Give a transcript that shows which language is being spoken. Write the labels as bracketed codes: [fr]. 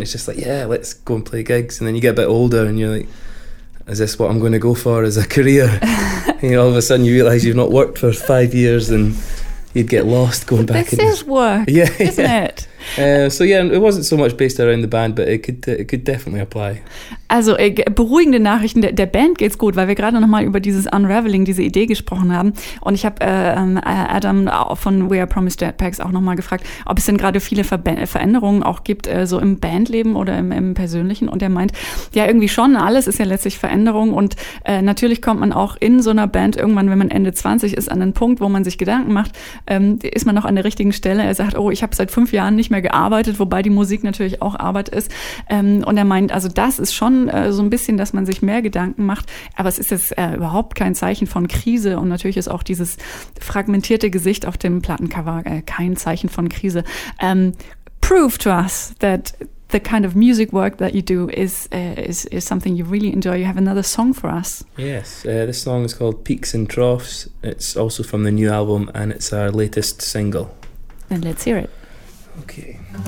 [en] It's just like, yeah, let's go and play gigs, and then you get a bit older and you're like, is this what I'm going to go for as a career? And you know, all of a sudden you realise you've not worked for 5 years and you'd get lost going back. This is work, yeah, isn't it? It wasn't so much based around the band, but it could definitely apply. [de] Also, beruhigende Nachrichten, der Band geht's gut, weil wir gerade nochmal über dieses Unraveling, diese Idee gesprochen haben. Und ich habe Adam von We Are Promised Jetpacks auch nochmal gefragt, ob es denn gerade viele Veränderungen auch gibt, so im Bandleben oder im Persönlichen. Und er meint, ja, irgendwie schon, alles ist ja letztlich Veränderung. Und natürlich kommt man auch in so einer Band irgendwann, wenn man Ende 20 ist, an den Punkt, wo man sich Gedanken macht, ist man noch an der richtigen Stelle. Er sagt, oh, ich habe seit 5 Jahren nicht mehr gearbeitet, wobei die Musik natürlich auch Arbeit ist. Und er meint, also das ist schon so ein bisschen, dass man sich mehr Gedanken macht, aber es ist jetzt überhaupt kein Zeichen von Krise, und natürlich ist auch dieses fragmentierte Gesicht auf dem Plattencover kein Zeichen von Krise. [en] Prove to us that the kind of music work that you do is something you really enjoy. You have another song for us. Yes, this song is called Peaks and Troughs. It's also from the new album and it's our latest single. Then let's hear it. Okay.